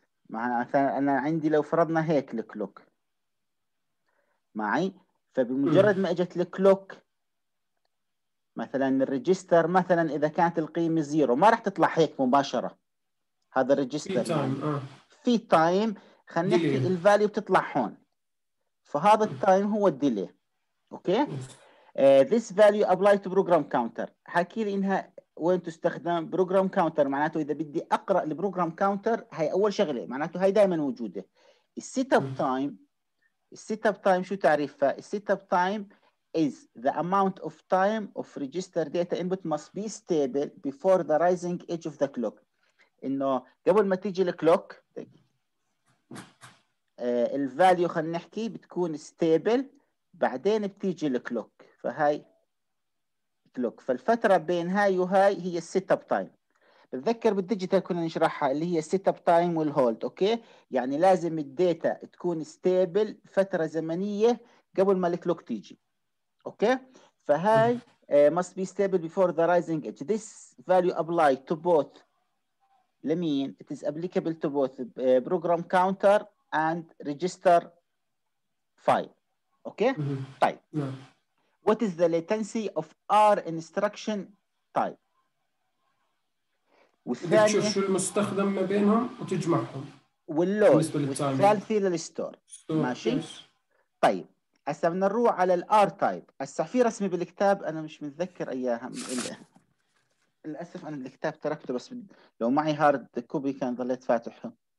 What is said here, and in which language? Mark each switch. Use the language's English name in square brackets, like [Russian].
[Arabic] معناتها انا عندي لو فرضنا هيك الكلوك معي، فبمجرد ما اجت الكلوك مثلا الريجستر مثلا اذا كانت القيمة زيرو ما راح تطلع هيك مباشرة، هذا الريجستر يعني في تايم خلينا نحكي الفاليو بتطلع هون، فهذا التايم هو الديلي اوكي. [English] This value applied to program counter. [Arabic] حكي لي انها وين تستخدم. program counter معناته اذا بدي اقرا البروجرام كاونتر هاي اول شغله، معناته هاي دائما موجوده. السيت اب تايم، السيت اب تايم شو تعريفها؟ السيت اب تايم [English] is the amount of time of register data input must be stable before the rising edge of the clock, [Arabic] انه قبل ما تيجي الكلوك الفاليو خلينا نحكي بتكون ستيبل بعدين بتيجي الكلوك. فهاي كلوك، فالفتره بين هاي وهاي هي السيت اب تايم. بتذكر بالديجيتال كنا نشرحها اللي هي السيت اب تايم والهولد اوكي، يعني لازم الداتا تكون ستيبل فتره زمنيه قبل ما الكلوك تيجي اوكي. فهاي [English] must be stable before the rising edge. This value apply to both [Arabic] لمين؟ [English] It is applicable to both program counter and register file. [Arabic] اوكي طيب [English] what is the latency of r instruction type. [Arabic] وثانية تشوف شو المستخدم ما بينهم وتجمعهم واللود بالنسبة للتايم. والثالثة للستور ماشي [English] yes. [Arabic] طيب هسه بدنا نروح على الار تايب. هسه في رسمة بالكتاب انا مش متذكر اياها للاسف، انا الكتاب تركته بس لو معي هارد كوبي كان ظليت فاتحه.